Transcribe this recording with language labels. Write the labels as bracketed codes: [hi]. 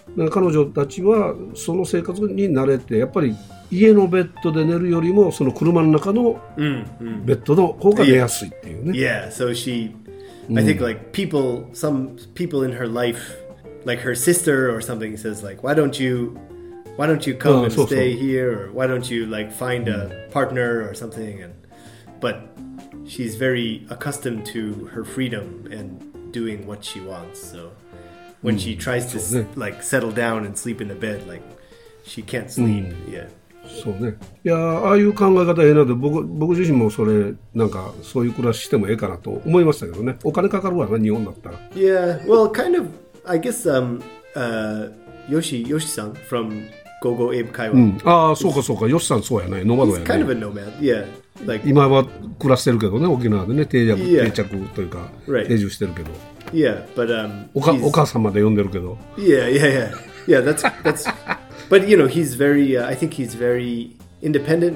[ja] 彼女たちは、その生活に慣れて、やっぱり、家のベッドで寝るよりもその車の中のベッドの方が寝やすいっていうね。 [en] Yeah, so she, I think like people, some people in her life, like her sister or something says like, why don't you come and stay here, or why don't you like find a partner or something, but she's very accustomed to her freedom and doing what she wants. So when she tries to like settle down and sleep in the bed, like she can't sleep. Yeah. [ja] そうね、いや、ああいう考え方ええなと、僕自身もそれなんかそういう暮らししてもええかなと思いましたけどね。お金かかるわな、日本だったら。 [en] Yeah, well, kind of, I guess, Yoshi-san from Gogo Abe Kaiwa. [ja] ああ、そうかそうか、Yoshi-san そうやね、ノマドやね。 [en] Kind of a nomad, yeah. [ja] Like, 今は暮らしてるけどね、沖縄でね、定着というか、定住してるけど。 [en] Yeah, but, [ja] お母さんまで呼んでるけど。 [en] Yeah, that's But, you know, he's very, I think he's very independent.